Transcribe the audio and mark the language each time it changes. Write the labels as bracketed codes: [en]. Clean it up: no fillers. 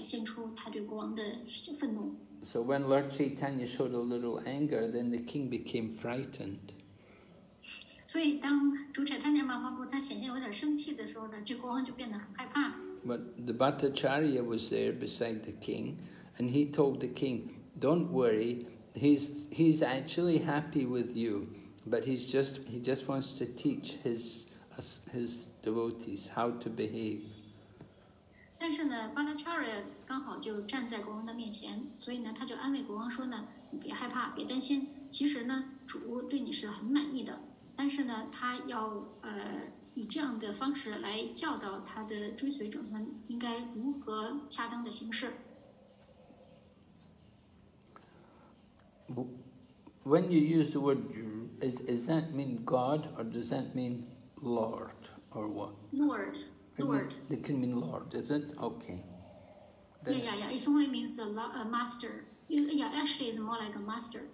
[zh] 但是呢,他又想要警告他的追随者,他的同僚们,所以说呢,他又展现出他对国王的愤怒。 [en] So when Lord Chaitanya showed a little anger, then the king became frightened. [zh] 所以当主柴丹娘妈妈布他显现有点生气的时候呢,这国王就变得很害怕。 [en] But the Bhattacharya was there beside the king, and he told the king, "Don't worry, he's actually happy with you. But he just wants to teach his devotees how to behave." [zh] 但是呢, Bhattacharya 刚好就站在国王的面前，所以呢，他就安慰国王说呢，你别害怕，别担心。其实呢，主对你是很满意的，但是呢，他要以这样的方式来教导他的追随者们应该如何恰当的行事。 [en] When you use the word, is that mean God or does that mean Lord or what? Lord. It can mean Lord, is it? Okay. Then yeah. It only means a master. Yeah, actually it's more like a master.